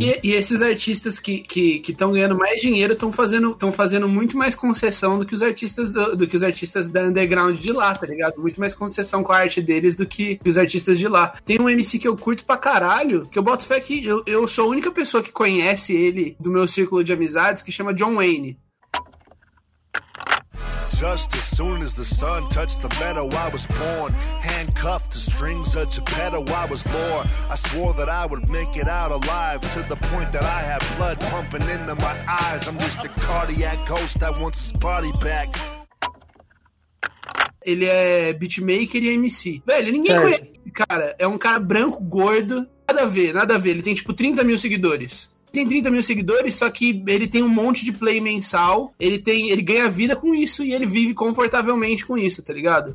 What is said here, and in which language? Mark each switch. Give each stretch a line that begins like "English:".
Portuguese: E esses artistas que estão ganhando mais dinheiro estão fazendo muito mais concessão do que os artistas da underground de lá, tá ligado? Muito mais concessão com a arte deles do que os artistas de lá. Tem um MC que eu curto pra caralho, que eu boto fé que eu sou a única pessoa que conhece ele do meu círculo de amizades, que chama John Wayne.
English: Just as soon as the sun touched the meadow, I was born. Handcuffed to strings of Geppetto, I was lore. I swore that I would make it out alive, to the point that I have blood pumping into my eyes. I'm just a cardiac ghost that wants his body back.
Portuguese: Ele é beatmaker e MC. Velho, ninguém conhece esse cara. É um cara branco, gordo. Nada a ver, nada a ver. Ele tem tipo 30 mil seguidores. tem 30 mil seguidores, só que ele tem um monte de play mensal, ele ganha vida com isso e ele vive confortavelmente com isso, tá ligado?